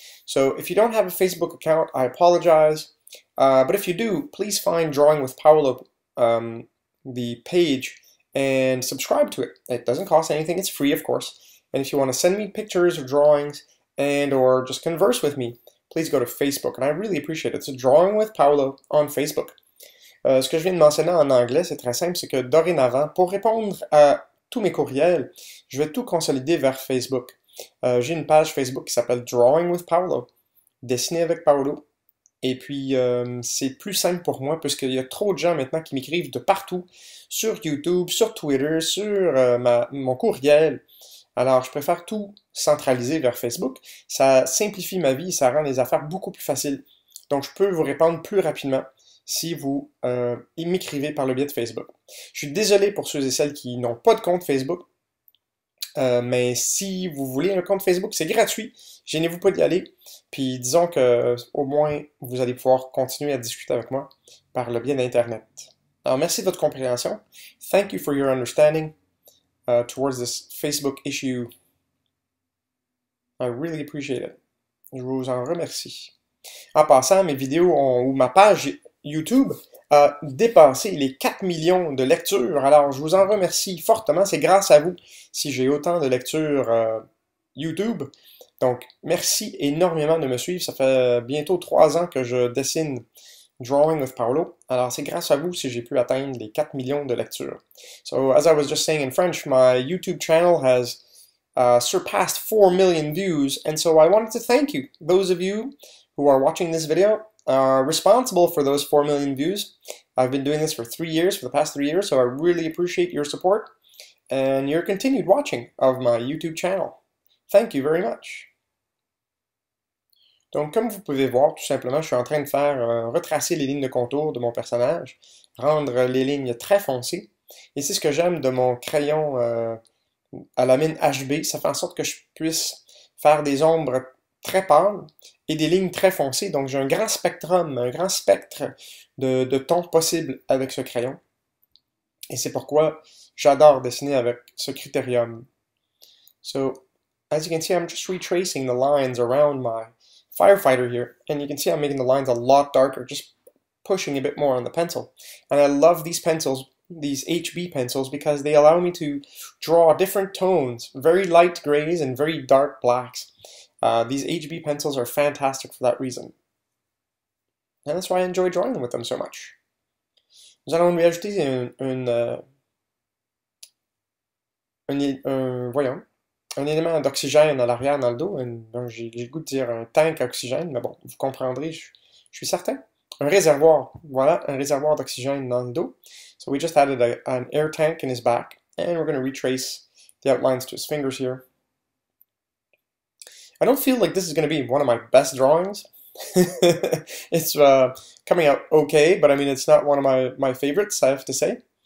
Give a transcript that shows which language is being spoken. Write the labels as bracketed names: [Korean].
[English] So if you don't have a Facebook account, I apologize. But if you do, please find Drawing with Paolo, the page, and subscribe to it. It doesn't cost anything. It's free, of course. And if you want to send me pictures or drawings and or just converse with me, please go to Facebook, and I really appreciate it. It's a Drawing with Paolo on Facebook. [French] Ce que je viens de mentionner en anglais, c'est très simple, c'est que dorénavant, pour répondre à tous mes courriels, je vais tout consolider vers Facebook. J'ai une page Facebook qui s'appelle Drawing with Paolo, dessiner avec Paolo, Et puis, c'est plus simple pour moi parce qu'il y a trop de gens maintenant qui m'écrivent de partout, sur YouTube, sur Twitter, sur mon courriel. Alors, je préfère tout centraliser vers Facebook. Ça simplifie ma vie, ça rend les affaires beaucoup plus faciles. Donc, je peux vous répondre plus rapidement si vous m'écrivez par le biais de Facebook. Je suis désolé pour ceux et celles qui n'ont pas de compte Facebook, mais si vous voulez un compte Facebook, c'est gratuit. Gênez-vous pas d'y aller. Puis disons que au moins vous allez pouvoir continuer à discuter avec moi par le biais d'Internet. Alors, merci de votre compréhension. [English] Thank you for your understanding towards this Facebook issue. I really appreciate it. [French] Je vous en remercie. En passant, mes vidéos ou ma page YouTube a dépassé les 4 millions de lectures. Alors, je vous en remercie fortement. C'est grâce à vous si j'ai autant de lectures YouTube. Donc, merci énormément de me suivre. Ça fait bientôt 3 ans que je dessine Drawing of Paolo. Alors, c'est grâce à vous si j'ai pu atteindre les 4 millions de lectures. [English] So, as I was just saying in French, my YouTube channel has surpassed 4 million views. And so, I wanted to thank you, those of you who are watching this video. Are responsible for those 4 million views. I've been doing this for 3 years, for the past 3 years, so I really appreciate your support and your continued watching of my YouTube channel. Thank you very much. [French] Donc, comme vous pouvez voir, tout simplement, je suis en train de faire retracer les lignes de contour de mon personnage, rendre les lignes très foncées. Et c'est ce que j'aime de mon crayon à la mine HB. Ça fait en sorte que je puisse faire des ombres très pâle et des lignes très foncées. Donc, j'ai un grand spectrum, un grand spectre de tons possibles avec ce crayon. Et c'est pourquoi j'adore dessiner avec ce critérium. [English] So, as you can see, I'm just retracing the lines around my firefighter here. And you can see I'm making the lines a lot darker, just pushing a bit more on the pencil. And I love these pencils, these HB pencils, because they allow me to draw different tones, very light grays and very dark blacks. These HB pencils are fantastic for that reason. And that's why I enjoy drawing with them so much. [French] Nous allons lui ajouter voyons, un élément d'oxygène à l'arrière dans le dos. J'ai le goût de dire un tank à oxygène, mais bon, vous comprendrez, je suis certain. Un réservoir, voilà, un réservoir d'oxygène dans le dos. [English] So we just added an air tank in his back, and we're going to retrace the outlines to his fingers here. I don't feel like this is going to be one of my best drawings. It's coming out okay, but I mean, it's not one of my favorites, I have to say.